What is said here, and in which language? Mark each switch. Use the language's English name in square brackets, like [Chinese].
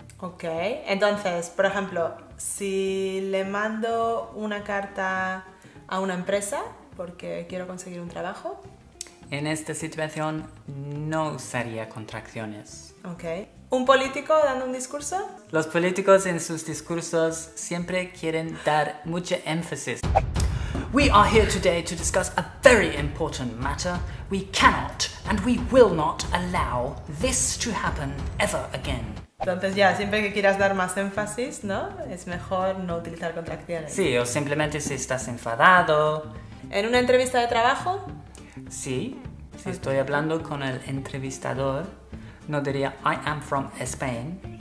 [Spanish] Ok, entonces, por ejemplo, si le mando una carta a una empresa porque quiero conseguir un trabajo. En esta situación no usaría contracciones. Ok. ¿Un político dando un discurso? Los políticos en sus discursos siempre quieren dar mucho énfasis. [English] We are here today to discuss a very important matter. We cannot and we will not allow this to happen ever again. [Spanish] Entonces ya, siempre que quieras dar más énfasis, ¿no? Es mejor no utilizar contracciones. Sí, o simplemente si estás enfadado. ¿En una entrevista de trabajo? Sí, si estoy hablando con el entrevistador, no diría [English] I am from Spain.